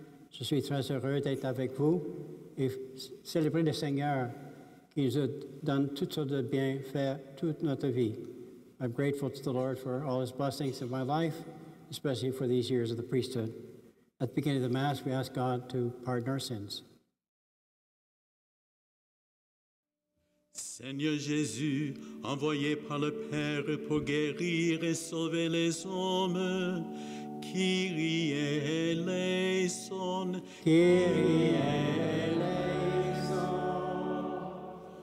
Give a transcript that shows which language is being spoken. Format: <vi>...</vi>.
<fr>Je suis très heureux d'être avec vous et célébrer le Seigneur qui nous a donné toutes sortes de bienfaits toute notre vie.</fr> <en>I'm grateful to the Lord for all his blessings in my life, especially for these years of the priesthood. At the beginning of the Mass, we ask God to pardon our sins.</en> <fr>Seigneur Jésus, envoyé par le Père pour guérir et sauver les hommes,</fr> <el>Kyrie eleison, Kyrie eleison.</el>